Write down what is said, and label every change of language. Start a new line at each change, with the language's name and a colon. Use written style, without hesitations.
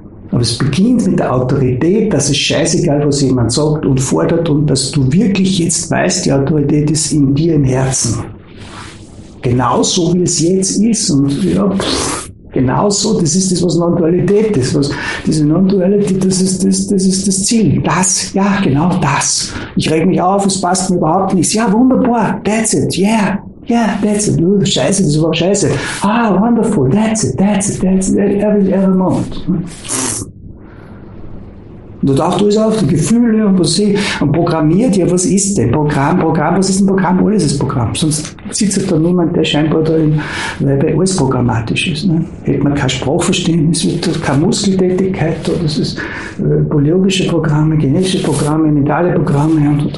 German: Aber es beginnt mit der Autorität, dass es scheißegal, was jemand sagt und fordert, und dass du wirklich jetzt weißt, die Autorität ist in dir im Herzen. Genauso wie es jetzt ist, genauso, das ist das, was Non-Dualität ist. Diese Non-Duality, das ist das Ziel. Das, ja, genau das. Ich reg mich auf, es passt mir überhaupt nichts. Ja, wunderbar,
English: that's it, yeah, yeah, that's it.
German: Scheiße, das ist überhaupt scheiße.
English: Ah, wonderful, that's it, that's it, that's it, every moment.
German: Und da taucht alles auf, die Gefühle und was sie und programmiert, ja, was ist denn? Programm, Programm, was ist ein Programm? Alles ist Programm. Sonst sitzt da niemand, der scheinbar da im Leib alles programmatisch ist. Ne? Hätte man kein Sprachverständnis, keine Muskeltätigkeit, das ist biologische Programme, genetische Programme, mentale Programme.